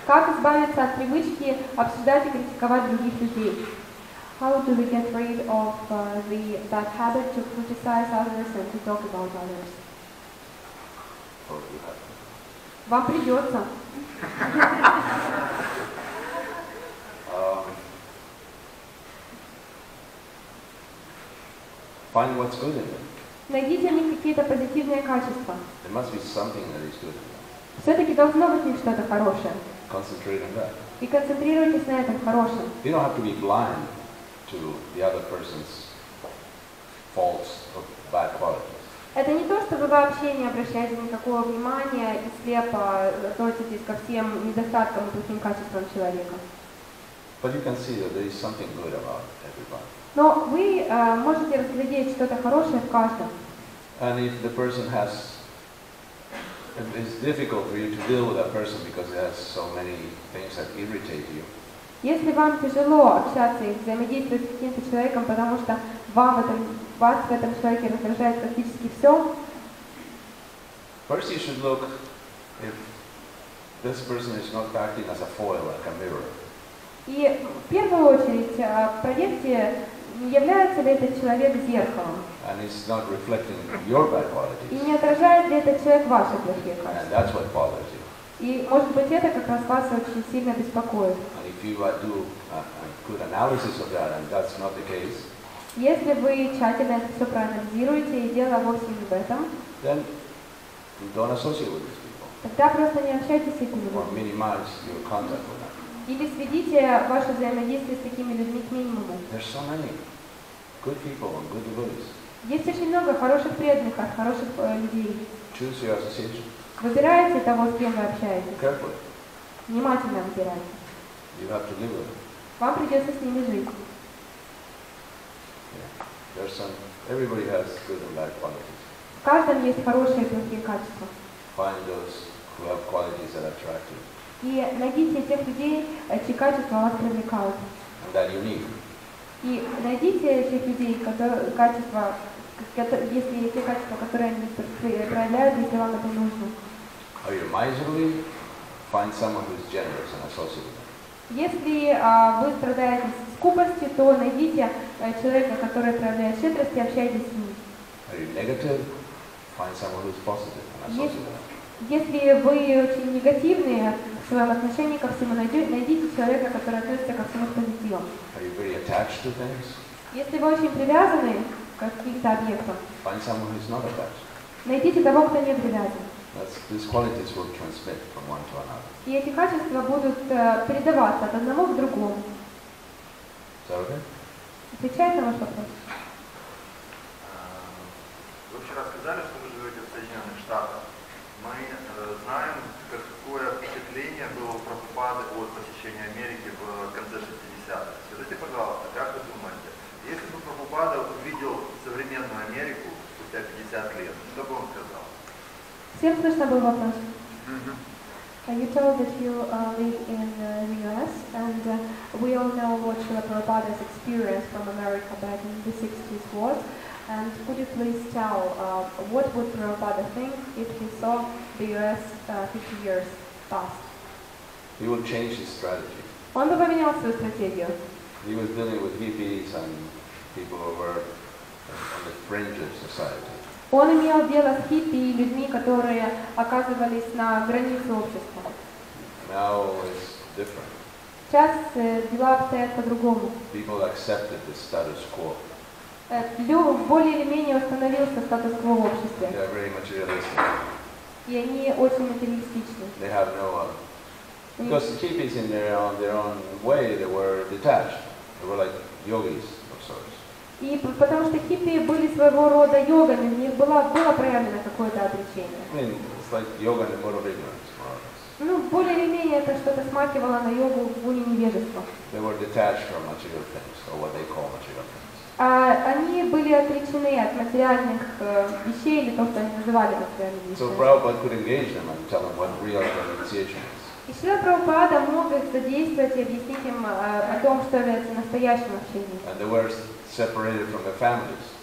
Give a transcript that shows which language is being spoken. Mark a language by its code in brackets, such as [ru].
[ru] Как избавиться от привычки обсуждать и критиковать других людей? [en] How do we get rid of that habit to criticize others and to talk about others? [ru] Вам придется. [en] Find what's good in them. [ru] Найдите в них какие-то позитивные качества. [en] There must be something that is good in them. [ru] Все-таки должно быть в них что-то хорошее. [en] Concentrate on that. [ru] И концентрируйтесь на этом хорошем. [en] You don't have to be blind to the other person's faults or bad qualities. [ru] Это не то, что вы вообще не обращаете никакого внимания и слепо относитесь ко всем недостаткам и плохим качествам человека. [en] But you can see that there is something good about everybody. [ru] Но вы можете разглядеть что-то хорошее в каждом. [en] And if the person has, if it's difficult for you to deal with that person because it has so many things that irritate you. [ru] Если вам тяжело общаться и взаимодействовать с каким-то человеком, потому что вас в этом человеке раздражает практически все. [en] First you should look if this person is not acting as a foil, like a mirror. [ru] И в первую очередь проверьте, является ли этот человек зеркалом. [en] And it's not reflecting your bad qualities. [ru] И не отражает ли этот человек ваши плохие качества. [en] And that's what bothers you. [ru] И может быть это как раз вас очень сильно беспокоит. [en] And if you do a good analysis of that and that's not the case. [ru] Если вы тщательно это все проанализируете и дело вовсе не в этом. [en] Then you don't associate with these people. [ru] Тогда просто не общайтесь с этими людьми. [en] Or minimize your contact with them. [ru] Или сведите ваше взаимодействие с такими людьми к минимуму. [en] There's so many good people and good devotees. [ru] Есть очень много хороших преданных, хороших людей. [en] Choose your association. [ru] Выбирайте того, с кем вы общаетесь. [en] Carefully. [ru] Внимательно выбирайте. [en] You have to live with them. [ru] Вам придется с ними жить. [en] Yeah. There's some. Everybody has good and bad qualities. [ru] В каждом есть хорошие и плохие качества. [en] Find those who have qualities that attract you. [ru] И найдите тех людей, чьи качества вас привлекают. [en] And that you need. [ru] И найдите тех людей, которые они проявляют, если вам это нужно. [en] Are you miserly? Find someone who is generous and associate with them. [ru] Если вы страдаете скупостью, то найдите человека, который проявляет щедрость, и общайтесь с ним. [en] Are you negative? Find someone who is positive and associate with them. [ru] Если вы очень негативные в своем отношении ко всему, найдите человека, который относится ко всему с позитивом. [en] Are you very attached to things? [ru] Если вы очень привязаны к каким-то объектам, [en] find someone who's not attached. [ru] Найдите того, кто не привязан. [en] These qualities will transmit from one to another. [ru] И эти качества будут передаваться от одного к другому. [en] Is that okay? [ru] Отвечает на ваш вопрос. Вы вчера сказали, что вы живете в Соединенных Штатах. Мы знаем, какое впечатление было у Прабхупады от посещения Америки в конце 60-х. Скажите, пожалуйста, как вы думаете, если бы Прабхупада увидел современную Америку спустя 50 лет, что бы он сказал? Всем слышно был вопрос? Mm-hmm. [en] You told that you live in the US, and we all know what Srila Prabhupada's experience from America back in the 60s was. And could you please tell what would Prabhupada think if he saw the U.S. 50 years past? He would change his strategy. [ru] Он бы поменял свою стратегию. [en] He was dealing with hippies and people who were on the fringe of society. [ru] Он имел дело с хиппи и людьми, которые оказывались на границе общества. [en] Now it's different. [ru] Сейчас дела обстоят по-другому. [en] People accepted the status quo. [ru] Более или менее установился статус-кво в обществе. [en] They are very materialistic. [ru] И они очень материалистичны. [en] They have no one. Because the hippies in their own way, they were detached. They were like yogis of sorts. [ru] И потому что хиппи были своего рода йогами, у них было проявлено какое-то отречение. [en] I mean, it's like yoga in the mode of ignorance, more or less. [ru] Более или менее это что-то смакивало на йогу в уни невежества. [en] They were detached from material things, or what they call material things. [ru] Они были отречены от материальных вещей, или то, что они называли материальными вещами. Шрила Прабхупада мог их задействовать и объяснить им о том, что является настоящим общением.